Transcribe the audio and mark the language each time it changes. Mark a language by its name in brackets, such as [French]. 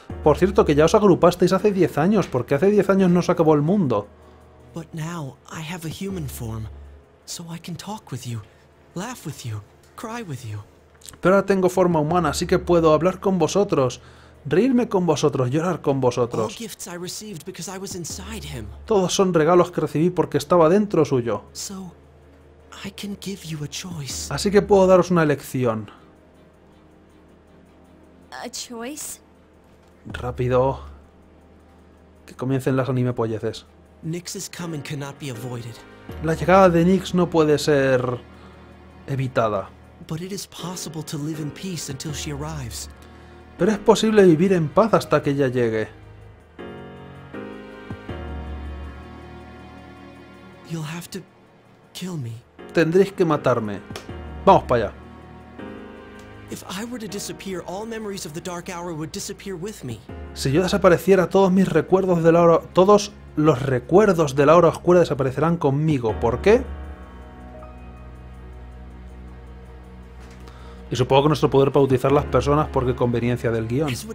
[Spanish] Por cierto, que ya os agrupasteis hace 10 años, porque hace 10 años no se acabó el mundo. Pero ahora tengo una forma humana, así que puedo hablar contigo. [English] Laugh with you, cry with you. [Spanish] Pero ahora tengo forma humana, así que puedo hablar con vosotros, reírme con vosotros, llorar con vosotros. [English] All gifts I received because I was inside him. [Spanish] Todos son regalos que recibí porque estaba dentro suyo. [English] So, I can give you a choice. [Spanish] Así que puedo daros una elección. [English] A choice. [Spanish] Rápido. Que comiencen las anime polleces. [English] Nix's coming cannot be avoided. [Spanish] La llegada de Nix no puede ser evitada. [English] But it is possible to live in peace until she arrives. [Spanish] Pero es posible vivir en paz hasta que ella llegue. [English] You'll have to kill me. [Spanish] Tendréis que matarme. Vamos para allá. [English] If I were to disappear, all memories of the dark hour would disappear with me. [Spanish] Si yo desapareciera, todos mis recuerdos de la hora, todos los recuerdos de la hora oscura desaparecerán conmigo. ¿Por qué? Y supongo que nuestro poder para utilizar las personas porque conveniencia del guión.